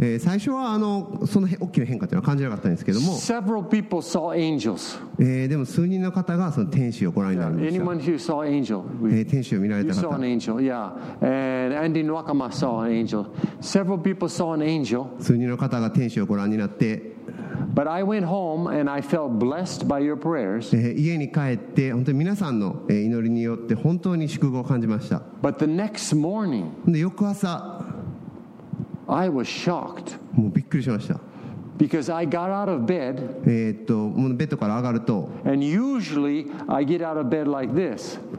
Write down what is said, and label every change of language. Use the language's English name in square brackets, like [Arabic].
[Japanese] 最初はその大きな変化というのは感じなかったんですけども。 [English] Several people saw angels. [Japanese] でも数人の方がその天使をご覧になりました。 [English] Anyone who saw angel. [Japanese] 天使を見られた方。 [English] You saw an angel, yeah. And Andy Nwakama saw an angel. Several people saw an angel. [Japanese] 数人の方が天使をご覧になって。 [English] But I went home and I felt blessed by your prayers. [Japanese] 家に帰って本当に皆さんの祈りによって本当に祝福を感じました。 [English] But the next morning, [Japanese] 翌朝 [English] I was shocked. [Japanese] もうびっくりしました。 [English] Because I got out of bed. [Japanese] もうベッドから上がると [English] And usually I get out of bed like this.